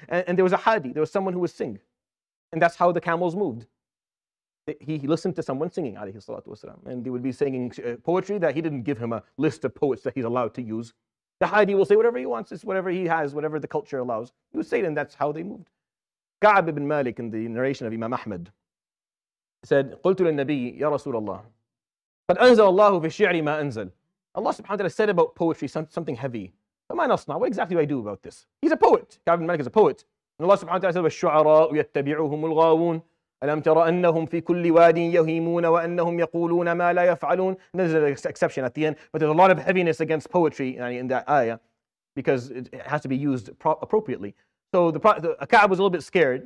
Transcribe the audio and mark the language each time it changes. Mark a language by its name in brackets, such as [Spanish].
[English] And there was a hadith, there was someone who would sing. And that's how the camels moved. He listened to someone singing, ﷺ, and they would be singing poetry that he didn't give him a list of poets that he's allowed to use. The Hadi will say whatever he wants, it's whatever he has, whatever the culture allows. He would say it, and that's how they moved. Ka'ab ibn Malik, in the narration of Imam Ahmad, said, [Arabic] قُلْتُ لِلنَّبِيِّ يَا رَسُولَ اللَّهِ قَدْ أَنزَلَ اللَّهُ فِي الشِّعْرِ مَا أَنزَلَ. [English] Allah subhanahu wa ta'ala said about poetry something heavy. What exactly do I do about this? He's a poet. Ka'ab ibn Malik is a poet. And Allah subhanahu wa ta'ala said, [Arabic] وَالشُّعَرَاءُ يَتَّبِعُهُمُ الْغَاوُونَ أَلَمْ تَرَ أَنَّهُمْ فِي كُلِّ وَادٍ يَهِيمُونَ وَأَنَّهُمْ يَقُولُونَ مَا لَا يَفْعَلُونَ. [English] And there's an exception at the end, but there's a lot of heaviness against poetry in that ayah because it has to be used appropriately. So the Ka'ab was a little bit scared.